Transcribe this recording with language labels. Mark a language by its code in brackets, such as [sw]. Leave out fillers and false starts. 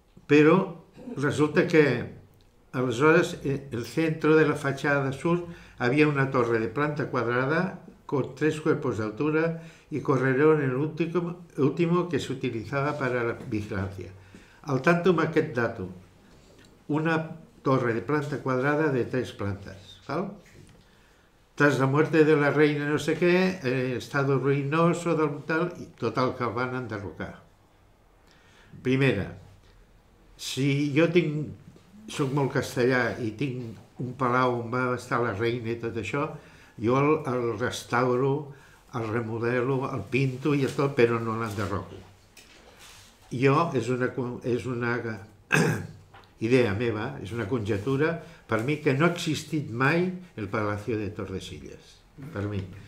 [ca] Però resulta que aleshores el centre de la [es] fachada sur havia una torre de planta quadrada con tres cuerpos de altura y corredor en el último que se utilizaba para la vigilancia. [ca] Al tanto, amb aquest dato, una torre de planta quadrada de tres plantas. [es] ¿Vale? Tras la muerte de la reina no sé qué, estado ruinoso del tal, y total que [ca] el van enderrocar. Primera, si jo tinc, soc molt castellà i tinc un palau on va estar la reina i tot això, jo el restauro, el remodelo, el pinto i tot, però no l'enderroco. Jo, és una idea meva, és una conjectura, per mi que no ha existit mai el Palacio de Tordesillas. Per mi.